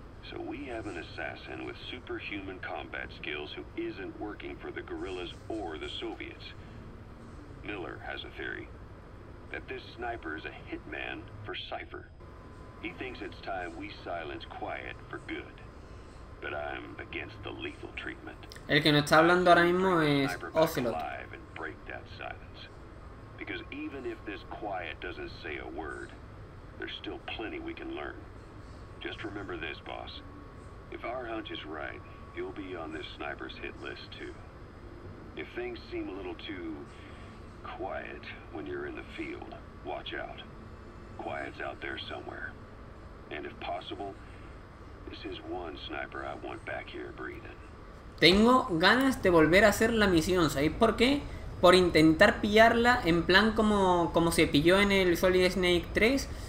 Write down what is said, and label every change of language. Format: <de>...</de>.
<en>So we have an assassin with superhuman combat skills who isn't working for the guerrillas or the Soviets. Miller has a theory that this sniper is a hitman for Cypher. He thinks it's time we silence Quiet for good. But I'm against the lethal treatment.</en> <es>El que nos está hablando ahora mismo es Ocelot.</es> <en>And break that silence. Because even if this Quiet doesn't say a word, there's still plenty we can learn. Just remember this, boss. If our hunch is right, you'll be on this sniper's hit list too. If things seem a little too quiet when you're in the field, watch out. Quiet's out there somewhere. And if possible, this is one sniper I want back here breathing.</en> <es>Tengo ganas de volver a hacer la misión, ¿sabéis por qué? Por intentar pillarla en plan como se pilló en el Solid Snake 3.</es>